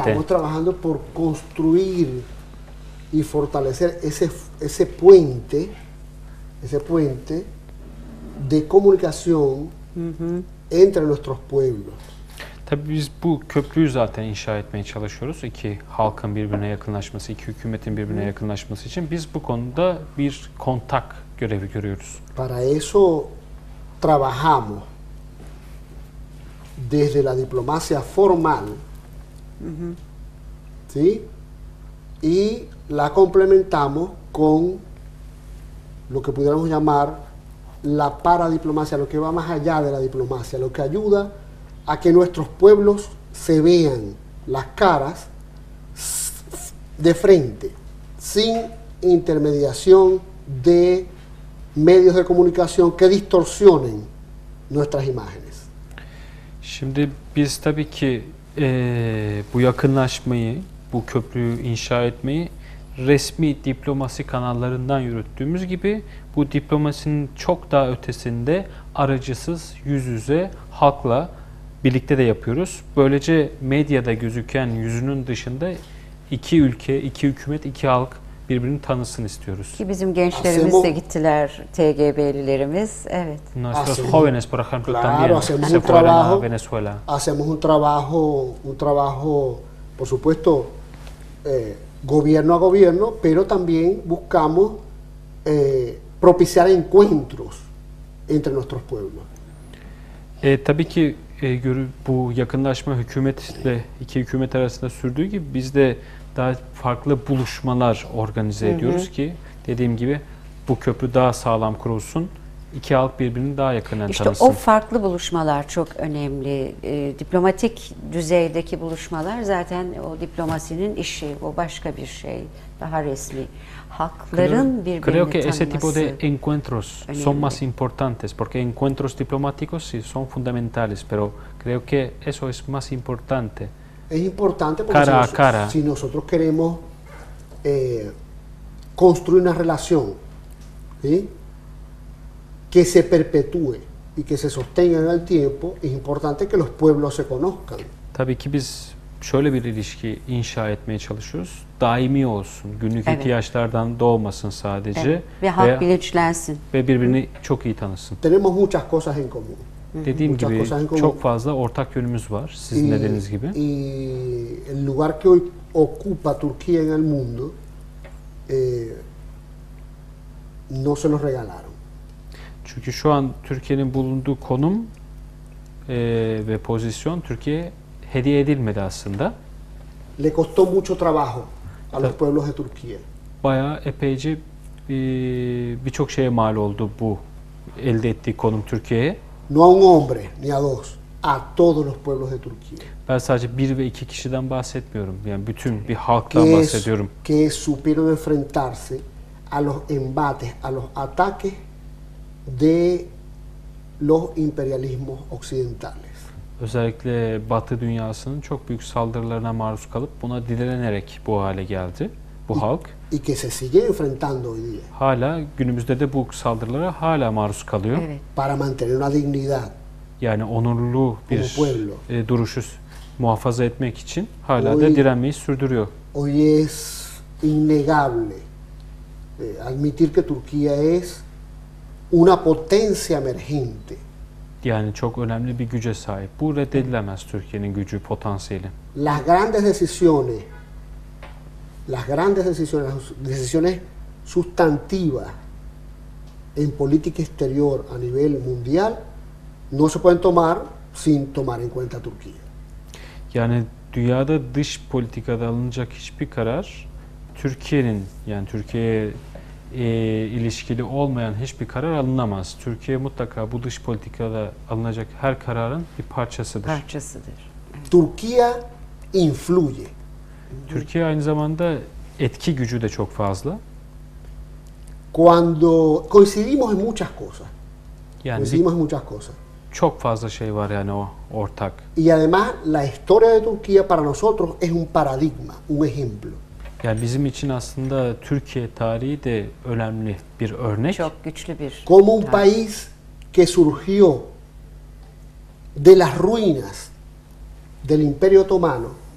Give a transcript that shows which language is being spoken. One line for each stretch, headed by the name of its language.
Spanish: Estamos trabajando por construir y fortalecer ese puente de comunicación. Entre nuestros pueblos.
Turkish: Tabii biz bu köprüyü zaten inşa etmeye çalışıyoruz. İki halkın birbirine yakınlaşması, iki hükümetin birbirine yakınlaşması için biz bu konuda bir kontak görevi görüyoruz.
Spanish: Para eso trabajamos desde la diplomacia formal. ¿Sí? Y la complementamos con lo que pudiéramos llamar la paradiplomacia, lo que va más allá de la diplomacia, lo que ayuda a que nuestros pueblos se vean las caras de frente, sin intermediación de medios de comunicación que distorsionen nuestras imágenes.
Turkish: Şimdi biz tabii ki bu yakınlaşmayı, bu köprüyü inşa etmeyi resmi diplomasi kanallarından yürüttüğümüz gibi bu diplomasinin çok daha ötesinde aracısız yüz yüze halkla birlikte de yapıyoruz. Böylece medyada gözüken yüzünün dışında iki ülke, iki hükümet, iki halk birbirini tanısın istiyoruz. Ki bizim gençlerimiz
Spanish: hacemos,
Turkish: de gittiler, TGB'lilerimiz. Evet.
Spanish: Nuestros jóvenes, por ejemplo, claro, también se fueron a Venezuela. Hacemos un trabajo, por supuesto, gobierno a gobierno, pero también buscamos propiciar encuentros entre nuestros pueblos.
Turkish: Tabii ki bu yakınlaşma hükümetle iki hükümet arasında sürdüğü gibi biz de daha farklı buluşmalar organize ediyoruz ki dediğim gibi bu köprü daha sağlam kurulsun. İki halk birbirini daha yakından tanısın. İşte o farklı buluşmalar çok önemli. Diplomatik düzeydeki buluşmalar zaten o diplomasinin işi. O başka bir şey. Daha resmi. Halkların birbirini tanıması.
Spanish: Creo que ese tipo de encuentros
Turkish: önemli.
Spanish: Son más importantes. Porque encuentros diplomáticos sí son fundamentales. Pero creo que eso es más importante. Es importante porque cara si nosotros queremos construir una relación. ¿Sí? Que se perpetúe y que se sostenga en el tiempo es importante que los pueblos se conozcan.
Turkish: Tabii ki biz şöyle bir ilişki inşa etmeye çalışıyoruz. Daimi olsun, günlük evet. ihtiyaçlardan doğmasın sadece evet. ve halk bilinçlensin ve birbirini çok iyi tanısın.
Spanish: Tenemos muchas cosas en común.
Turkish: Dediğim
Spanish: muchas
Turkish: gibi
Spanish: cosas en común.
Turkish: Çok fazla ortak yönümüz var sizin dediğiniz gibi.
Spanish: Y el lugar que hoy ocupa Turquía en el mundo no se los regalaron.
Turkish: Çünkü şu an Türkiye'nin bulunduğu konum ve pozisyon Türkiye'ye hediye edilmedi aslında.
Spanish: Le costó mucho trabajo a los pueblos de Turquía.
Turkish: Bayağı epeyce birçok şeye mal oldu bu elde ettiği konum Türkiye'ye.
Spanish: No a un hombre ni a dos, a todos los pueblos de Turquía.
Turkish: Ben sadece bir ve iki kişiden bahsetmiyorum. Yani bütün bir halktan bahsediyorum.
Spanish: Que supieron enfrentarse a los embates, a los ataques de los imperialismos occidentales.
Turkish: Özellikle Batı dünyasının çok büyük saldırılarına maruz kalıp buna direnerek bu hale geldi bu halk.
Spanish: Y que se sigue enfrentando hoy día.
Turkish: Hala günümüzde de bu saldırılara hala maruz kalıyor. Evet.
Spanish: Para mantener una dignidad.
Turkish: Yani onurlu bir duruşu muhafaza etmek için hala
Spanish: hoy,
Turkish: da direnmeyi sürdürüyor.
Spanish: Hoy es innegable admitir que Turquía es una potencia emergente.
Turkish: Yani çok önemli bir güce sahip. Bu reddedilemez Türkiye'nin gücü, potansiyeli.
Spanish: Las grandes decisiones, las grandes decisiones, decisiones sustantivas en política exterior a nivel mundial no se pueden tomar sin tomar en cuenta Turquía.
Turkish: Yani dünyada dış politikada alınacak hiçbir karar Türkiye'nin, yani Türkiye'ye ilişkili olmayan hiçbir karar alınamaz. Türkiye mutlaka bu dış politikada alınacak her kararın bir parçasıdır. Parçasıdır.
Spanish: Türkiye influye.
Turkish: Türkiye aynı zamanda etki gücü de çok fazla.
Spanish: Cuando coincidimos en muchas cosas.
Turkish: Yani
Spanish: coincidimos en muchas cosas.
Turkish: Çok fazla şey var yani o ortak.
Spanish: Y además la historia de Turquía para nosotros es un paradigma, un ejemplo.
Turkish: Yani bizim için aslında Türkiye tarihi de önemli bir örnek. Çok güçlü bir.
Spanish: Como un país que surgió de las ruinas del Imperio Otomano.